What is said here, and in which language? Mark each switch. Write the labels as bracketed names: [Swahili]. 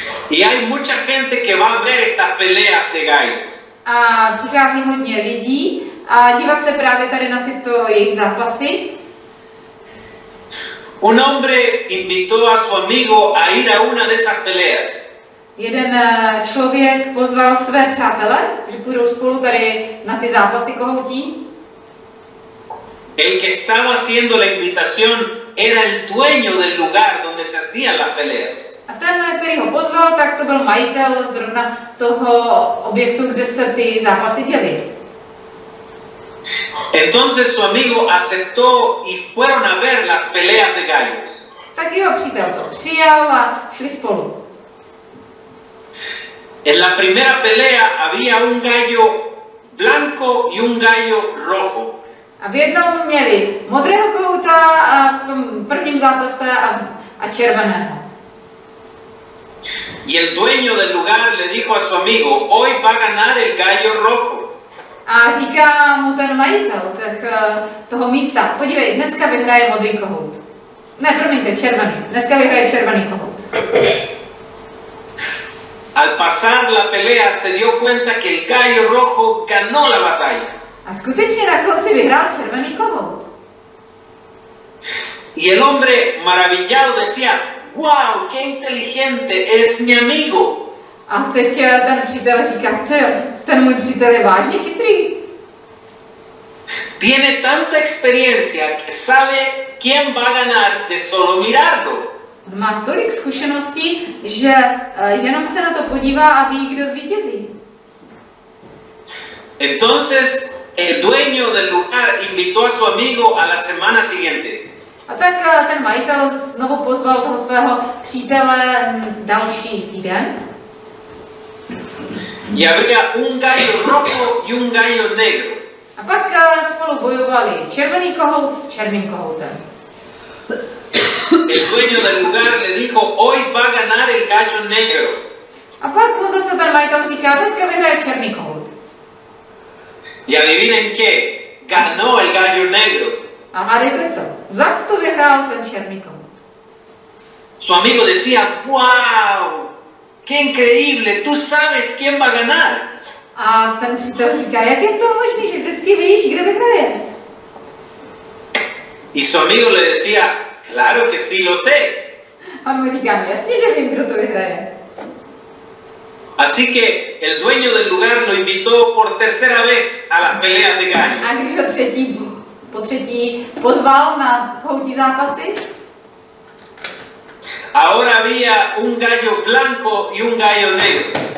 [Spanish] Y hay mucha gente que va a ver estas peleas de gallos. [Czech] A přichází hodně lidí a dívat se právě tady na tyto jejich zápasy. [Spanish] Un hombre invitó a su amigo a ir a una de esas peleas. [Czech] Jeden člověk pozval své přátele, že půjdou spolu tady na ty zápasy kohoutí. [Spanish] El que estaba haciendo la invitación era el dueño del lugar donde se hacían las peleas. [Czech] A ten, který ho pozval, tak to byl majitel zrovna toho objektu, kde se ty zápasy děly. [Spanish] Entonces su amigo aceptó y fueron a ver las peleas de gallos. [Czech] Tak jeho přítel to přijal a šli spolu. [Spanish] En la primera pelea había un gallo blanco y un gallo rojo. [Czech] A v jednom měli modrého kohouta a v tom prvním zápase a červeného. [Spanish] Y el dueño del lugar le dijo a su amigo, hoy va a ganar el gallo rojo. [Czech] A říká mu ten majitel toho místa, podívej, dneska vyhraje modrý kohout. Ne, promiňte, červený. Dneska vyhraje červený kohout. [Spanish] Al pasar la pelea se dio cuenta que el gallo rojo ganó la batalla. [Czech] A skutečně na konci vyhrál červený kohout. [Spanish] Y el hombre maravillado decía, wow, qué inteligente es mi amigo. [Czech] A teď ten přítel říká, ten můj přítel je vážně chytrý. [Spanish] Tiene tanta experiencia que sabe quién va a ganar de solo mirarlo. [Czech] Má tolik zkušeností, že jenom se na to podívá a ví, kdo zvítězí. [Spanish] Entonces, el dueño del lugar invitó a su amigo a la semana siguiente. [Czech] A tak ten majitel znovu pozval toho svého přítele další týden. [Spanish] Y había un gallo rojo y un gallo negro. [Czech] A pak spolu bojovali červený kohout s černým kohoutem. [Spanish] El dueño del lugar le dijo, hoy va a ganar el gallo negro. [Czech] A pak mu zase ten majitel říká, dneska vyhraje černý kohout. [Spanish] Y adivinen qué, ganó el gallo negro. [Czech] A hádejte co, zas to vyhrál ten černý kohout. [Spanish] Su amigo decía, wow, qué increíble, tú sabes quién va a ganar. [Czech] A ten přítel říká, jak je to možný, že vždycky víš, kdo vyhraje. [Spanish] Y su amigo le decía, claro que sí, lo sé. [Czech] A mu říká, jasně, že vím, kdo to vyhraje. [Spanish] Así que el dueño del lugar lo invitó por tercera vez a las peleas de gallos. [Czech] A když ho po třetí pozval na kohoutí zápasy. [Spanish] Ahora había un gallo blanco y un gallo negro.